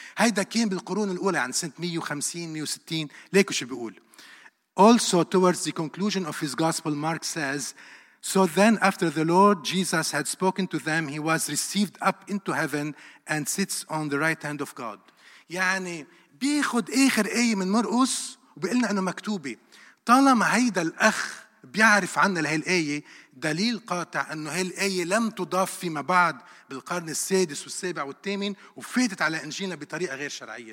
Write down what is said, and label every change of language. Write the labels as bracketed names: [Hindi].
[Arabic] هيدا كان بالقرون الأولى عن سنة 150-160، ليكو شو بيقول. [English] Also towards the conclusion of his gospel, Mark says, So then after the Lord Jesus had spoken to them, he was received up into heaven and sits on the right hand of God. [Arabic] يعني بياخد آخر آية من مرقس وبيقلنا أنه مكتوبة. طالما هيدا الأخ بيعرف عنا لهي الآية دليل قاطع أنه هاي الآية لم تضاف فيما بعد بالقرن السادس والسابع والثامن وفاتت على إنجيلنا بطريقة غير شرعية.